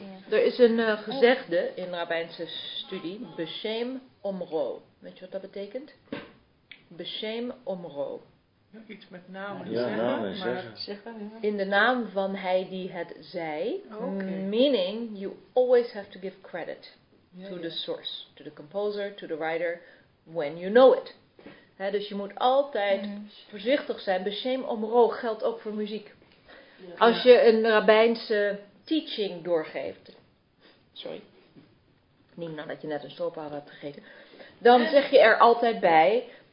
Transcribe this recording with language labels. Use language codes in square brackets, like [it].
[nl] Er is een gezegde in rabbijnse studie. Beshem omro. Weet je wat dat betekent? Beshem omro. Iets met namen zeggen. Ja, namen zeggen. In de naam van hij die het zei. [en] Meaning, you always have to give credit to the source, to the composer, to the writer, when you know it. [nl] He, dus je moet altijd voorzichtig zijn. Beshem omro geldt ook voor muziek. Ja. Als je een rabbijnse teaching doorgeeft. Sorry. Niet nadat je net een stroopwafel hebt gegeten. Dan zeg je er altijd bij.